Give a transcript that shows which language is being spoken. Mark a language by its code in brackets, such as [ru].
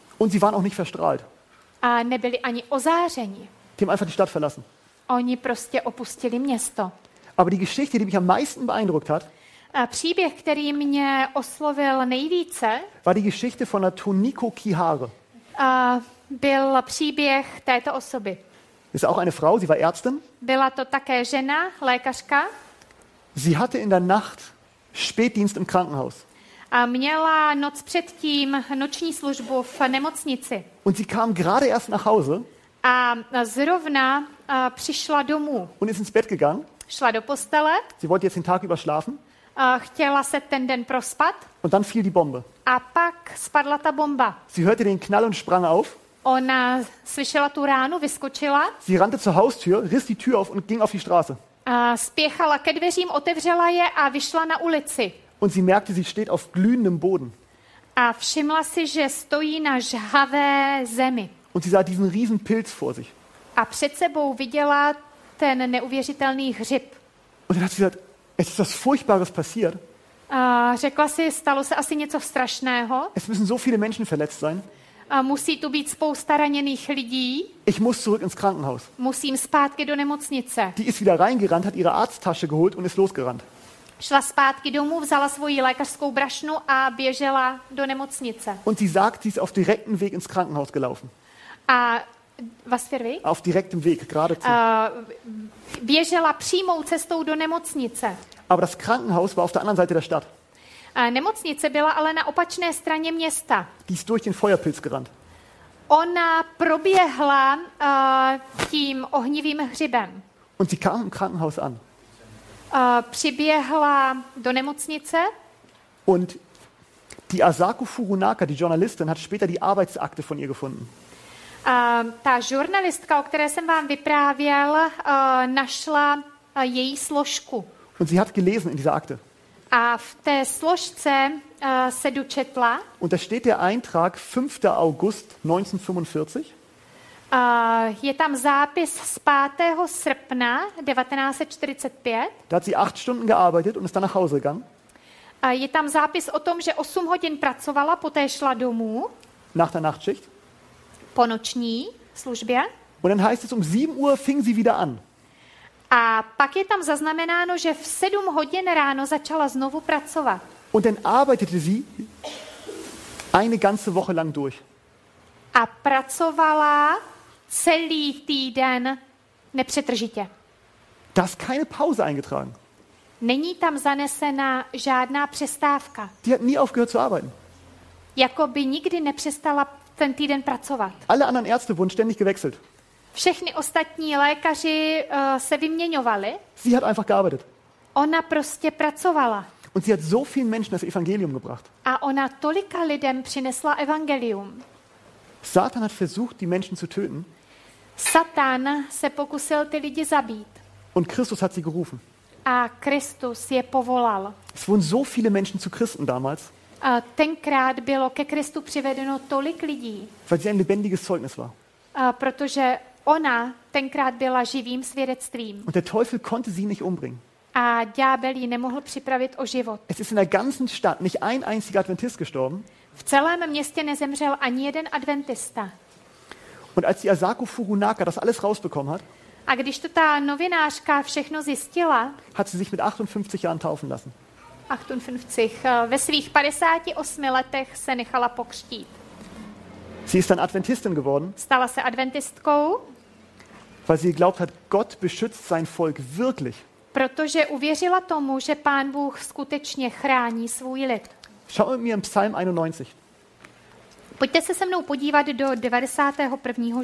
[de] Und sie waren auch nicht verstrahlt. [cs] A nebyli ani ozářeni. [de] Die haben einfach die Stadt verlassen. [cs] Oni prostě opustili město. [de] Aber die Geschichte, die mich am meisten beeindruckt hat, [cs] příběh, který mě oslovil nejvíce, [de] war die Geschichte von der Toniko Kihare. [cs] Byl příběh této osoby. [de] Ist auch eine Frau, sie war Ärztin. [cs] Byla to také žena, lékařka. [de] Sie hatte in der Nacht Spätdienst im Krankenhaus. [cs] A měla noc předtím noční službu v nemocnici. [de] Und sie kam gerade erst nach Hause. [cs] A zrovna přišla domů. [de] Und ist ins Bett gegangen. [cs] Šla do postele. [de] Sie wollte jetzt den Tag über schlafen. [cs] Chtěla se ten den prospat. [de] Und dann fiel die Bombe. [cs] A pak spadla ta bomba. [de] Sie hörte den Knall und sprang auf. [cs] Ona slyšela tu ránu, vyskočila. [de] Sie rannte zur Haustür, riss die Tür auf und ging auf die Straße. [cs] Spěchala ke dveřím, otevřela je a vyšla na ulici. [de] Und sie merkte, sie steht auf glühendem Boden. [cs] A všimla si, že stojí na žhavé zemi. [de] Und sie sah diesen riesen Pilz vor sich. [cs] A před sebou viděla ten neuvěřitelný hřib. [de] Und dann hat sie gesagt, es ist das Furchtbares passiert. [cs] Řekla si, stalo se asi něco strašného. [de] Es müssen so viele Menschen verletzt sein. [cs] Musí tu být spousta raněných lidí. [de] Ich muss zurück ins Krankenhaus. [cs] Musím zpátky do nemocnice. [de] Die ist wieder reingerannt, hat ihre Arzttasche geholt und ist losgerannt. [cs] Šla zpátky domů, vzala svoji lékařskou brašnu a běžela do nemocnice. [de] Und sie sagt, sie ist auf direktem Weg ins Krankenhaus gelaufen. A was für Weg? Auf direktem Weg, geradezu. [cs] Běžela přímou cestou do nemocnice. [de] Aber das Krankenhaus war auf der anderen Seite der Stadt. [cs] Nemocnice byla ale na opačné straně města. [de] Die ist durch den Feuerpilz gerannt. [cs] Ona proběhla tím ohnivým hřibem. [de] Und sie kam im Krankenhaus an. [cs] Přiběhla do nemocnice. [de] Und die Asako Furunaka, die Journalistin, hat später die Arbeitsakte von ihr gefunden. [cs] Ta žurnalistka, o které jsem vám vyprávěl, našla její složku. [de] Und sie hat gelesen in dieser Akte. [cs] A v té složce se dočetla. [de] Und da steht der Eintrag 5. August 1945. [cs] Je tam zápis z 5. srpna 1945. [de] Da hat sie 8 Stunden gearbeitet und ist dann nach Hause gegangen. [cs] Je tam zápis o tom, že 8 hodin pracovala, poté šla domů. [de] Nach der Nachtschicht. [cs] Po noční službě. [de] Und dann heißt es, um 7 Uhr fing sie wieder an. [cs] A pak je tam zaznamenáno, že v 7 hodin ráno začala znovu pracovat. [de] Und dann arbeitete sie eine ganze Woche lang durch. [cs] A pracovala celý týden nepřetržitě. [de] Das keine Pause eingetragen. [cs] Není tam zanesena žádná přestávka. [de] Die hat nie aufgehört zu arbeiten. [cs] Jako by nikdy nepřestala ten týden pracovat. [de] Alle anderen Ärzte wurden ständig gewechselt. [cs] Všechny ostatní lékaři se vyměňovali. [de] Sie hat einfach gearbeitet. [cs] Ona prostě pracovala. [de] Und sie hat so vielen Menschen das Evangelium gebracht. [cs] A ona tolika lidem přinesla evangelium. [de] Satan hat versucht, die Menschen zu töten. [cs] Satan se pokusil ty lidi zabít. [de] Und Christus hat sie gerufen. [cs] A Kristus je povolal. [de] Es wurden so viele Menschen zu Christen damals. [cs] A tenkrát bylo ke Kristu přivedeno tolik lidí. [de] Weil sie ein lebendiges Zeugnis war. [cs] A protože ona tenkrát byla živým svědectvím. [de] Und der Teufel konnte sie nicht umbringen. [cs] A ďábel ji nemohl připravit o život. [de] Es ist in der ganzen Stadt nicht ein einziger Adventist gestorben. [cs] V celém městě nezemřel ani jeden adventista. [de] Und als die Asako Fukunaga das alles rausbekommen hat, [cs] a když to ta novinářka všechno zjistila, [de] hat sie sich mit 58 Jahren taufen lassen. [cs] 58, ve svých 58 letech se nechala pokřtít. [de] Sie ist dann Adventistin geworden. [cs] Stala se adventistkou. [de] Weil sie geglaubt hat, Gott beschützt sein Volk wirklich. [cs] Protože uvěřila tomu, že Pán Bůh skutečně chrání svůj lid. [de] Schau mit mir in Psalm 91. [cs] Pojďte se mnou podívat do 91.